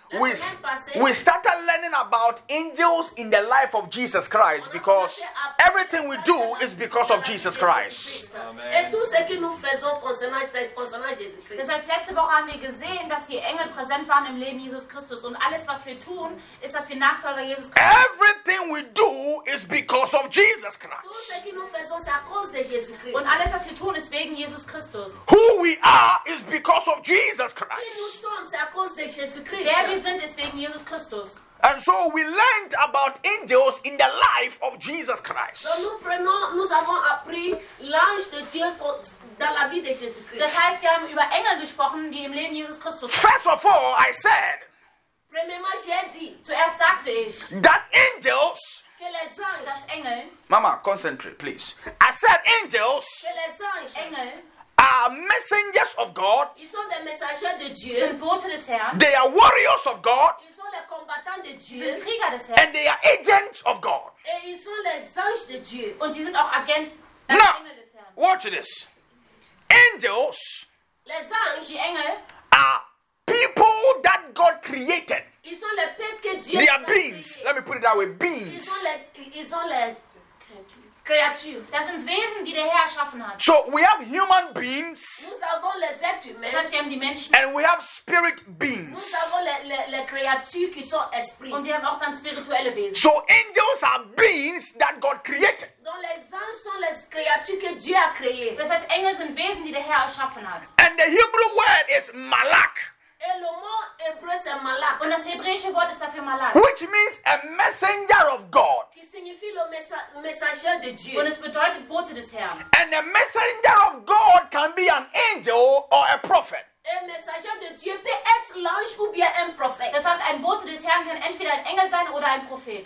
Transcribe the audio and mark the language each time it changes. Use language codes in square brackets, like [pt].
[en] we started learning about angels in the life of Jesus Christ, because everything we do is because of Jesus Christ. Amen. [de] Das heißt, letzte Woche haben wir gesehen, dass die Engel präsent waren im Leben Jesus Christus, und alles was wir tun, ist, dass wir Nachfolger Jesus Christus. [en] Everything we do is because of Jesus Christ. [de] Und alles was wir tun ist wegen Jesus Christus. [en] Who we are is because of Jesus Christ. [de] Wer wir sind ist wegen Jesus Christus. [en] And so we learned about angels in the life of Jesus Christ. [fr] Nous avons appris l'ange de Dieu dans la vie de Jésus Christ. [de] Das heißt, wir haben über Engel gesprochen, die im Leben Jesus Christus. [en] First of all, I said. [fr] Premièrement, j'ai dit. [de] Zuerst sagte ich. [en] That angels. [fr] Que les anges. [de] Das Engel. [en] Mama, concentrate, please. I said angels. [fr] Que les anges. Engel. [en] Are messengers of God. [fr] Ils sont des messagers de Dieu. [de] Sind Boten des Herrn. [en] They are warriors of God. [fr] Ils sont les combattants de Dieu. [de] Sind Krieger des Herrn. [en] And they are agents of God. [fr] Et ils sont les anges de Dieu. [de] Und sie sind auch Agenten des Herrn. [en] Now, watch this. Angels. [fr] Les anges. [de] Die Engel. [en] Are people that God created. [fr] Ils sont les peuples que Dieu. [en] They are beings. Créé. Let me put it that way. Beings. [fr] Ils sont les Creature. [de] Das sind Wesen, die der Herr erschaffen hat. [en] So we have human beings. [fr] Nous avons les êtres humains. [de] Das heißt, die Menschen. [en] And we have spirit beings. [fr] Nous avons les créatures qui sont esprits. [de] Und wir haben auch dann spirituelle Wesen. [en] So angels are beings that God created. [fr] Donc les anges sont les créatures que Dieu a créées. [de] Das heißt, Engel sind Wesen, die der Herr erschaffen hat. [en] And the Hebrew word is malak. [fr] Et le mot hébreu c'est malak. Und [de] das hebräische Wort ist dafür malal. [en] Which means a messenger of God. [fr] Qui signifie le messager de Dieu. [de] Und es bedeutet Bote des Herrn. [en] And a messenger of God can be an angel or a prophet. [fr] Un messager de Dieu peut être l'ange ou bien un prophète. [de] Das heißt, ein Bote des Herrn kann entweder ein Engel sein oder ein Prophet.